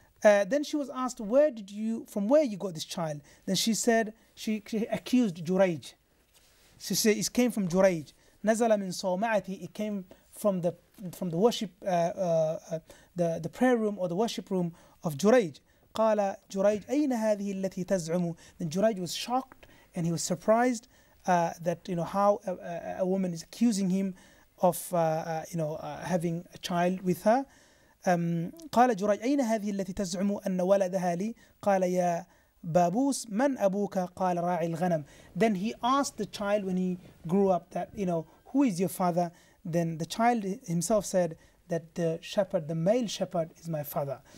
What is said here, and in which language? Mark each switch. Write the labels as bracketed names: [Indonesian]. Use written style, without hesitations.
[English] Then she was asked, from where you got this child? Then she said, she accused Juraij. She said, it came from Juraij. [Arabic] نَزَلَ مِنْ صَوْمَعَتِي. [English] It came from the worship, the prayer room or the worship room of Juraij. [Arabic] قال جريج أين هذه التي تزعم. [English] Then Juraij was shocked and he was surprised that how a woman is accusing him of having a child with her. [Arabic] قال جريج أين هذه التي تزعم أن ولدها لي. قال يا بابوس من أبوك. قال راعي الغنم. [English] Then he asked the child when he grew up that who is your father. Then the child himself said that the shepherd, the male shepherd, is my father.